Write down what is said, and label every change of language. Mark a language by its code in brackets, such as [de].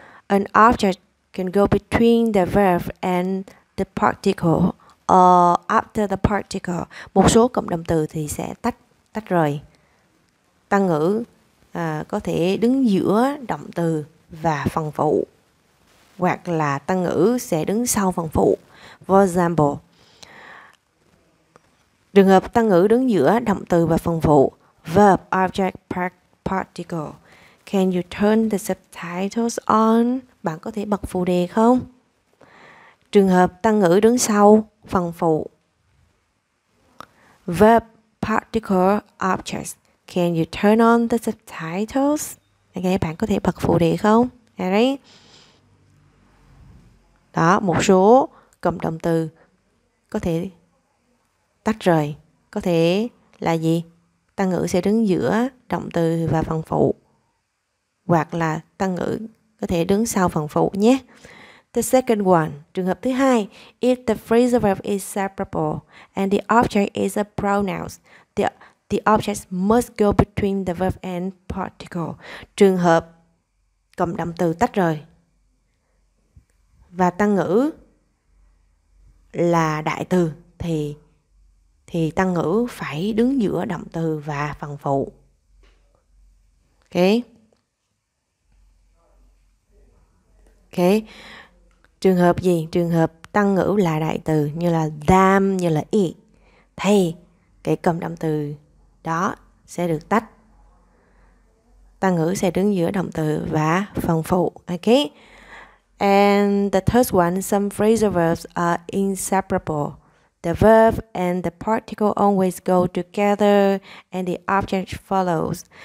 [en] An object can go between the verb and the particle or after the particle. [vi] Một số cụm động từ thì sẽ tách rời. Tăng ngữ có thể đứng giữa động từ và phần phụ. Hoặc là tăng ngữ sẽ đứng sau phần phụ. [en] For example, [vi] trường hợp tăng ngữ đứng giữa động từ và phần phụ. [en] Verb, object, particle. Can you turn the subtitles on? [vi] Bạn có thể bật phụ đề không? Trường hợp tăng ngữ đứng sau phần phụ. Verb, particle, object. Can you turn on the subtitles? Ok, bạn có thể bật phụ đề không? Đấy. Đó, một số cụm động từ có thể tách rời. Có thể là gì? Tăng ngữ sẽ đứng giữa động từ và phần phụ. Hoặc là tăng ngữ có thể đứng sau phần phụ nhé. [en] The second one, [vi] trường hợp thứ hai, [en] if the phrasal verb is separable and the object is a pronoun, the object must go between the verb and particle. [vi] Trường hợp cụm động từ tách rời và tăng ngữ là đại từ thì tăng ngữ phải đứng giữa động từ và phần phụ. Okay. Okay. Trường hợp gì? Trường hợp tăng ngữ là đại từ như là them, như là it thì cái cụm động từ đó sẽ được tách. Tăng ngữ sẽ đứng giữa động từ và phần phụ. [en] Okay. And the third one, some phrasal verbs are inseparable. The verb and the particle always go together and the object follows.